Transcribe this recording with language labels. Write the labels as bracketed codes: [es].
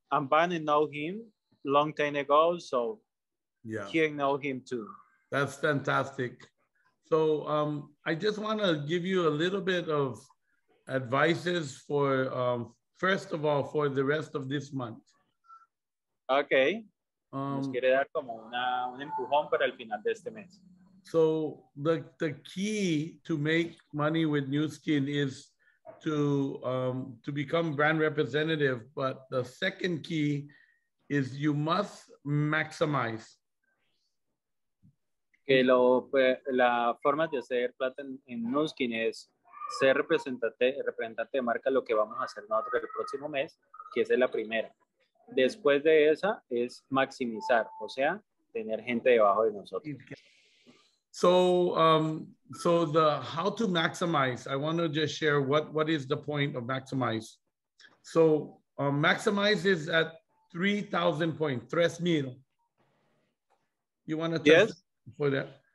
[en] Bunny know him long time ago, so Yeah, he know him too. that's fantastic. So I just want to give you a little bit of advices for first of all for the rest of this month. [es] Nos quiere dar como un empujón para el final de este mes. [en] So the key to make money with Nu Skin is to become brand representative, but the second key is you must maximize. [es] Que la forma de hacer plata en Nu Skin es ser representante de marca, lo que vamos a hacer nosotros el próximo mes, que esa es la primera. Después de esa es maximizar, o sea, tener gente debajo de nosotros. [en] So the how to maximize, I want to just share what is the point of maximize. So maximize is at 3,000 point, 3,000. You want to touch Yes. for that?